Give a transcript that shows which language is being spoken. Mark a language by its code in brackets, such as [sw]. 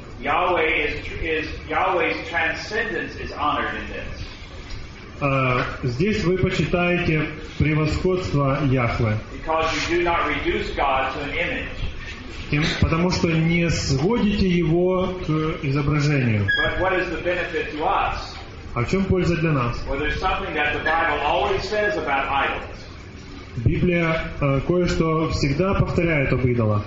[en] Yahweh's transcendence is honored in this. [ru] Здесь вы почитаете превосходство Яхве. [en] Because you do not reduce God to an image. [ru] Потому что не сводите его к изображению. [en] But what is the benefit to us? [ru] А в чем польза для нас? [en] Well, there's something that the Bible always says about idols. [ru] Библия кое-что всегда повторяет об идолах.